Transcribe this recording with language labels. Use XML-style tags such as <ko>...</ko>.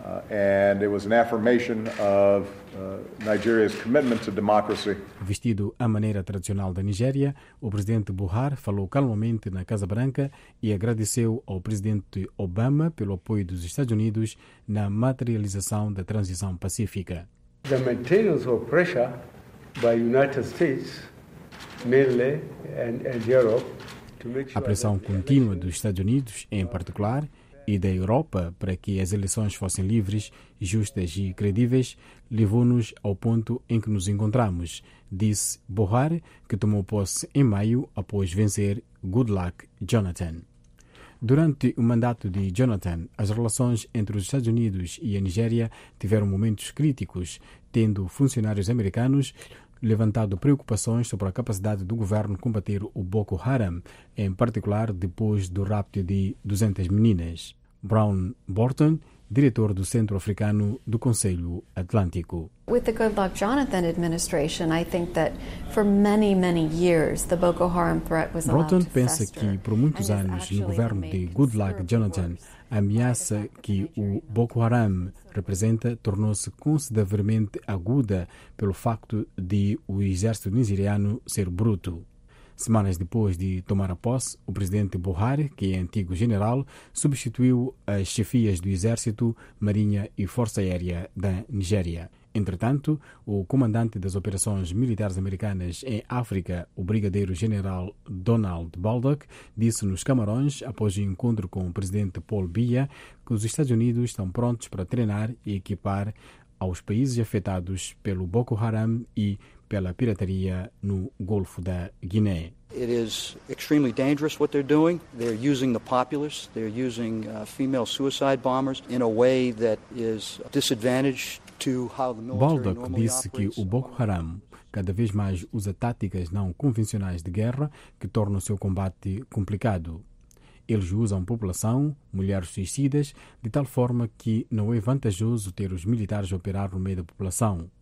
<en>And it was an affirmation of Nigeria's commitment to democracy.</en> <pt>Vestido à maneira tradicional da Nigéria, o presidente Buhari falou calmamente na Casa Branca e agradeceu ao presidente Obama pelo apoio dos Estados Unidos na materialização da transição pacífica.</pt> <en>The maintenance of pressure by United States, mainly, and Europe, to make sure.</en> <pt>A pressão contínua dos Estados Unidos, em particular, e da Europa para que as eleições fossem livres, justas e credíveis, levou-nos ao ponto em que nos encontramos, disse Buhari, que tomou posse em maio após vencer Goodluck Jonathan. Durante o mandato de Jonathan, as relações entre os Estados Unidos e a Nigéria tiveram momentos críticos, tendo funcionários americanos levantado preocupações sobre a capacidade do governo combater o Boko Haram, em particular depois do rapto de 200 meninas. Brown Borton, diretor do Centro Africano do Conselho Atlântico.</pt> <en>With the Goodluck Jonathan administration, I think that for many, many years the Boko Haram threat was allowed to fester.</en> <pt>Pensa que por muitos anos no governo de Goodluck Jonathan, a ameaça que o Boko Haram representa tornou-se consideravelmente aguda pelo facto de o exército nigeriano ser bruto. Semanas depois de tomar a posse, o presidente Buhari, que é antigo general, substituiu as chefias do Exército, Marinha e Força Aérea da Nigéria. Entretanto, o comandante das operações militares americanas em África, o brigadeiro-general Donald Baldock, disse nos Camarões, após o encontro com o presidente Paul Biya, que os Estados Unidos estão prontos para treinar e equipar aos países afetados pelo Boko Haram e pela pirataria no Golfo da Guiné.</pt> <en>It is extremely dangerous what they're doing. They're using the populace. They're using female suicide bombers in a way that is disadvantaged to how the military normally operates.</en> <pt>Baldock disse que o Boko Haram cada vez mais usa táticas não convencionais de guerra que tornam o seu combate complicado. Eles usam população, mulheres suicidas, de tal forma que não é vantajoso ter os militares operar no meio da população.</pt>